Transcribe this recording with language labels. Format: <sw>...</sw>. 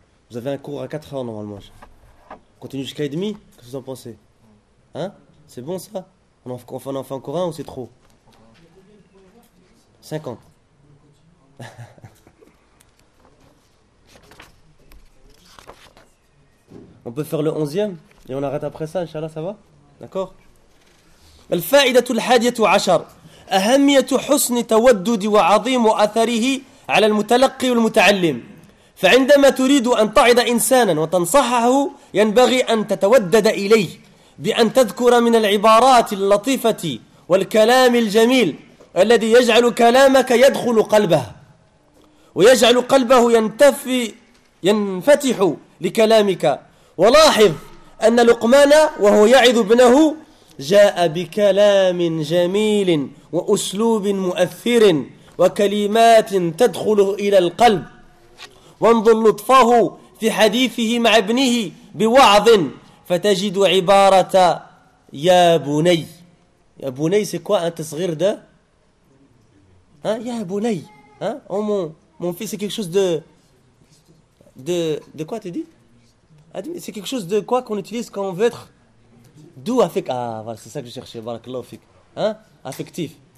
<fr>Vous avez un cours à 4 heures normalement. On continue jusqu'à 1h30? Qu'est-ce que vous en pensez? C'est bon ça? On en fait encore un ou c'est trop? 50. On peut faire le 11e? Et on arrête après ça, Inch'Allah, ça va? D'accord?</fr> <ar>الفائدة الحادية عشر أهمية حسن تودد وعظيم أثره على المتلقي والمتعلم فعندما تريد أن تعظ إنسانا وتنصحه ينبغي أن تتودد إليه بأن تذكر من العبارات اللطيفة والكلام الجميل الذي يجعل كلامك يدخل قلبه ويجعل قلبه ينفتح لكلامك ولاحظ أن لقمان وهو يعظ ابنه جاء بكلام جميل وأسلوب مؤثر وكلمات تدخل إلى القلب وانظر لطفه في حديثه مع ابنه بوعظ فتجد عبارة يا بني. يا بني</ar> <fr>c'est quoi un</fr> <ar>تصغير</ar> <fr>de يا بني mon fils c'est quelque chose de quoi t'es dit? C'est quelque chose de quoi qu'on utilise quand on veut être doux, affectif. Ah, voilà, c'est ça que je cherchais.</fr> <ar>Barakallahu fik.</ar> <fr>Affectif.</fr>